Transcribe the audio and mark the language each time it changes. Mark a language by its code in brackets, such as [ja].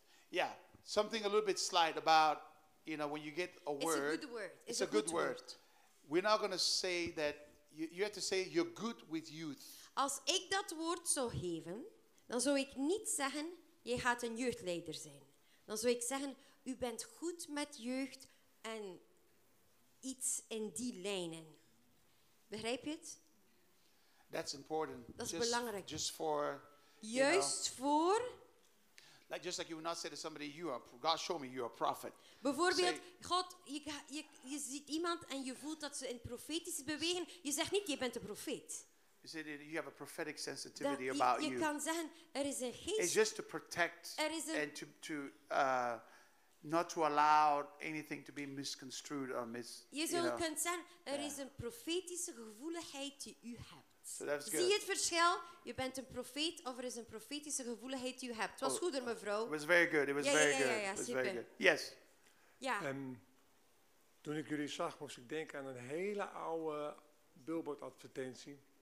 [en] Yeah, something a little bit slight about, you know, when you get a word. It's a good word. It's a good word. We're not going to say that, you have to say you're good with youth. [nl] Als ik dat woord zou geven, dan zou ik niet zeggen, jij gaat een jeugdleider zijn. Dan zou ik zeggen, u bent goed met jeugd en iets in die lijnen. Begrijp je het? [en] That's important. [nl] Dat is belangrijk. [en] Just for, [nl] juist [en] know, [nl] voor... [en] Like just like you would not say to somebody, "You are God. Show me you are a prophet." [nl] Bijvoorbeeld, say, God, je ziet iemand en je voelt dat ze in profetische bewegen. Je zegt niet, je bent een profeet. [en] You say you have a prophetic sensitivity about you. [nl] Je kan zeggen, er is een geest. [en] It's just to protect and to not to allow anything to be misconstrued or mis. [nl] Je zou kunnen zeggen, er is een profetische gevoeligheid die u hebt. [en] So that's good. [nl] Zie je het verschil? Je bent een profeet of er is een profetische gevoeligheid die je hebt. Het was goeder, mevrouw. [en] It was very good. It was very good. Yes. [nl] Ja. Toen ik jullie zag, moest ik denken aan een hele oude billboard advertentie.